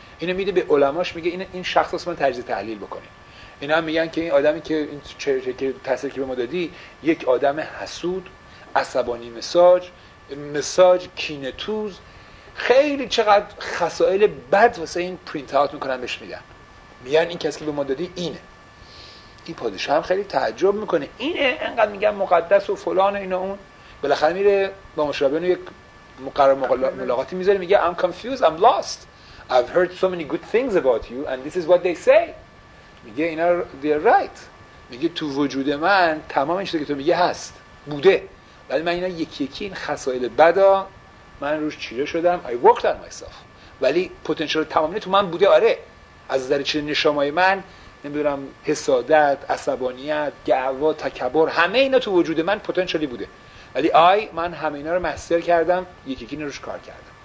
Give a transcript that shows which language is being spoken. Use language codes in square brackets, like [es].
[fa] اینو میده به علماش میگه این شخص واسه من تجزیه تحلیل بکنه. اینا هم میگن که این آدمی که این چهره که تصویر که به ما دادی یک آدم حسود، عصبانی مساج کینه‌توز، خیلی چقدر خصائل بد واسه این پرینت اوت میکنن بهش میدن. میگن این کسی که به ما دادی اینه. این پادشاه هم خیلی تعجب میکنه، اینه انقدر میگن مقدس و فلان اینا اون. بالاخره میره با مشربنو یک مقرر ملاقاتی میذاره، میگه [en] I'm confused, I'm lost, I've heard so many good things about you and this is what they say. [fa] میگه اینا [en] they're right. [fa] میگه تو وجود من تمام این چیزی که تو میگه هست بوده، ولی من اینا یکی یکی این خصائل بدا من روش چیره شدم. [en] I worked on myself. [fa] ولی پتانسیل تمامی تو من بوده. آره از نظر چیز نشمای من نمیدونم حسادت، عصبانیت، گعوا، تکبر همه اینا تو وجود من پتانسیلی بوده، ولی آی من همه اینا رو مستر کردم، یکی یکی روش کار کردم.